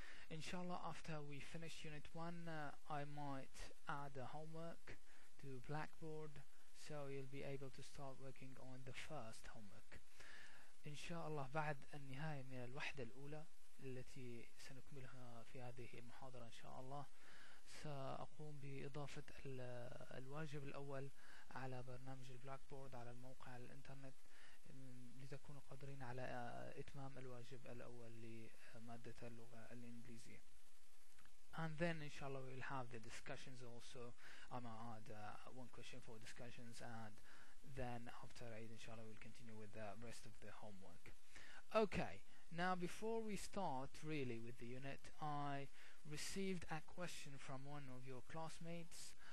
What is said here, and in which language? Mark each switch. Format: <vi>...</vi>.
<en>Inshallah after we finish Unit 1 I might add a homework to Blackboard, so you'll be able to start working on the first homework</en> <ar>إن شاء الله بعد النهاية من الوحدة الأولى التي سنكملها في هذه المحاضرة إن شاء الله. سأقوم بإضافة الواجب الأول على برنامج البلاكبورد على الموقع على الإنترنت لتكونوا قادرين على إتمام الواجب الأول لمادة اللغة الإنجليزية.</ar> <en>And then inshallah we will have the discussions also. I'm going to add one question for discussions, and then after Eid inshallah we'll continue with the rest of the homework. Okay, now before we start really with the unit, I received a question from one of your classmates.</en>